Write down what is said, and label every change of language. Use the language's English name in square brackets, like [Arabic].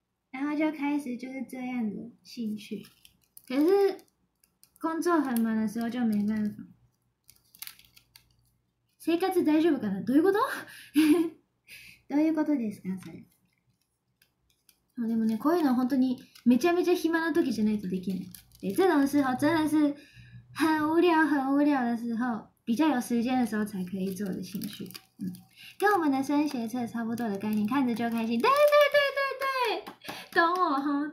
[Chinese] 然后就开始就是这样的兴趣。可是工作很忙的时候就没办法。 [Japanese] 生活大丈夫かな？どういうこと？どういうことですか、それ。でもね、こういうの本当にめちゃめちゃ暇な時じゃないとできない。 [Chinese] で、这种时候真的是很无聊的时候，比较有时间的时候才可以做的兴趣。跟我们的升学测差不多的概念，看着就开心。对对对对对，懂我哈？